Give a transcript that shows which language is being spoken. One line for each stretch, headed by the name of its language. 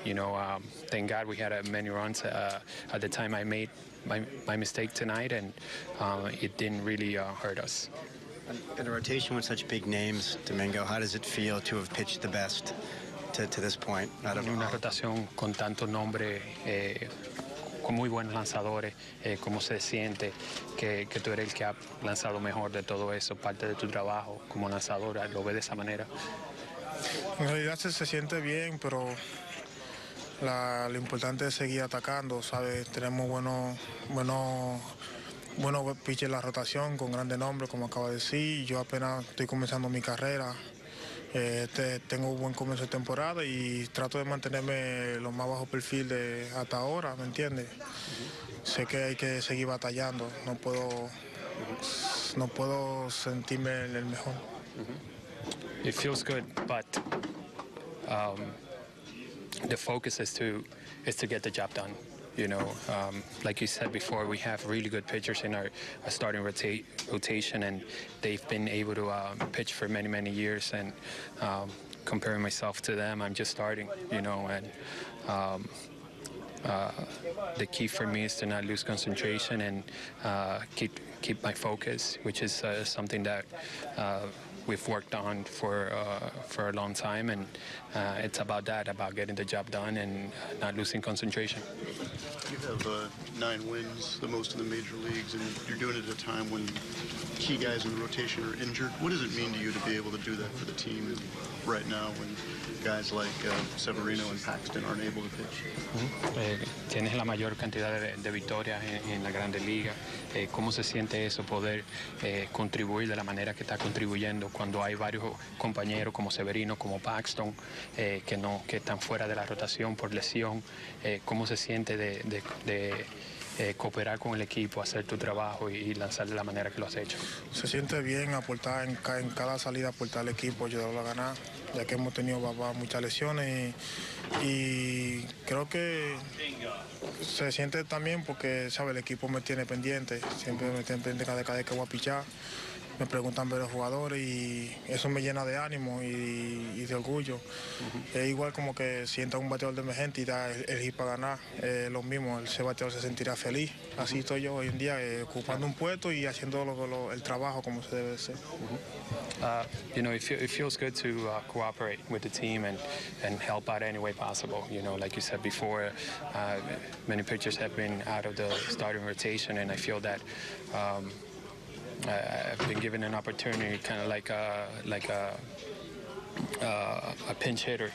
English: You know, thank God we had many runs at the time I made my mistake tonight, and it didn't really hurt us. In a rotation with such big names, Domingo, how does it feel to have pitched the best to this point?
Spanish: En una rotación con tanto nombre, con muy buenos lanzadores, ¿cómo se siente que tú eres el que ha lanzado mejor de todo eso, parte de tu trabajo como lanzador? ¿Lo ves de esa manera? En realidad se siente bien, pero lo importante es seguir atacando, ¿sabes? Tenemos buenos pitches en la rotación con grandes nombres, como acabo de decir. Yo apenas estoy comenzando mi carrera. Tengo un buen comienzo de temporada y trato de mantenerme lo más bajo perfil de hasta ahora, ¿me entiendes? Sé que hay que seguir batallando, no puedo sentirme el mejor.
English: It feels good, but the focus is to get the job done. You know, like you said before, we have really good pitchers in our starting rotation, and they've been able to pitch for many, many years. And comparing myself to them, I'm just starting, you know. And the key for me is to not lose concentration and keep my focus, which is something that we've worked on for a long time. And it's about that, about getting the job done and not losing concentration. You have 9 wins, the most in the major leagues, and you're doing it at a time when key guys in the rotation are injured. What does it mean to you to be able to do that for the team right now when guys like Severino and Paxton aren't able to pitch?
Spanish: Tienes la mayor cantidad de victorias en la Grande Liga. ¿Cómo se siente eso, poder contribuir de la manera que está contribuyendo cuando hay varios compañeros como Severino, como Paxton, que están fuera de la rotación por lesión? ¿Cómo se siente de cooperar con el equipo, hacer tu trabajo y lanzar de la manera que lo has hecho. Se siente bien aportar en cada salida, aportar al equipo, ayudarlo a ganar, ya que hemos tenido muchas lesiones y creo que se siente también porque, sabe, el equipo me tiene pendiente, siempre me tiene pendiente cada vez que voy a pichar. Me preguntan ver los jugadores y eso me llena de ánimo y de orgullo. Uh-huh. Es igual como que sienta un bateador de emergente y da el hit para ganar. Lo mismo, ese bateador se sentirá feliz. Uh-huh. Así estoy yo hoy en día, ocupando un puesto y haciendo el trabajo como se debe ser. Uh-huh.
English: It feels good to cooperate with the team and help out any way possible. You know, like you said before, many pitchers have been out of the starting rotation and I feel that I've been given an opportunity, kind of like a pinch hitter.